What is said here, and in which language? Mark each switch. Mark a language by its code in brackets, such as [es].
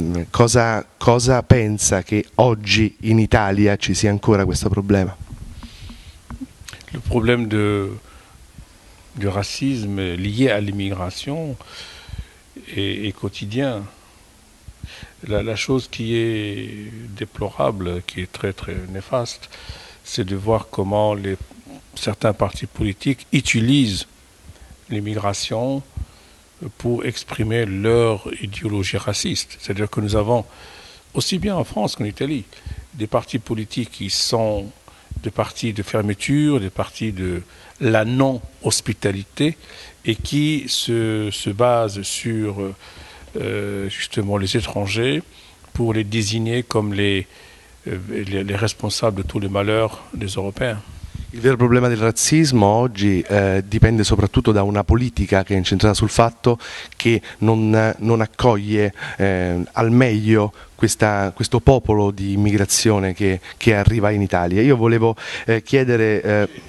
[it] Cosa pensa che oggi in Italia ci sia ancora questo problema? [fr] Le problème du racisme lié à l'immigration est quotidien. La chose qui est déplorable, qui est très très néfaste, c'est de voir comment certains partis politiques utilisent l'immigration pour exprimer leur idéologie raciste. C'est-à-dire que nous avons, aussi bien en France qu'en Italie, des partis politiques qui sont des partis de fermeture, des partis de la non-hospitalité, et qui se basent sur justement les étrangers pour les désigner comme les responsables de tous les malheurs des Européens. [it] Il vero problema del razzismo oggi dipende soprattutto da una politica che è incentrata sul fatto che non accoglie al meglio questo popolo di immigrazione che arriva in Italia. Io volevo chiedere.